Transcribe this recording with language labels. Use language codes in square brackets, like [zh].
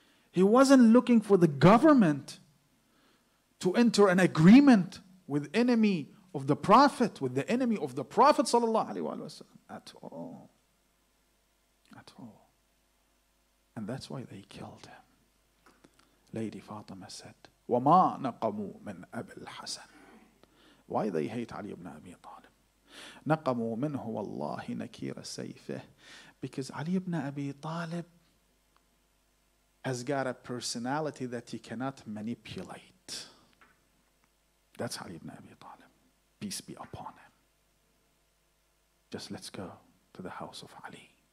[en] He wasn't looking for the government to enter an agreement with enemy of the Prophet, with the enemy of the Prophet sallallahu alaihi wa sallam, at all. At all. And that's why they killed him. Lady Fatima said, [ar] وَمَا نَقَمُوا مِنْ أَبِ الْحَسَنِ. [en] Why they hate Ali ibn Abi Talib? [ar] نَقَمُوا مِنْهُ وَاللَّهِ نَكِيرَ سَيْفِهِ. [en] Because Ali ibn Abi Talib has got a personality that he cannot manipulate. That's Ali ibn Abi Talib. Peace be upon him. Just let's go to the house of Ali.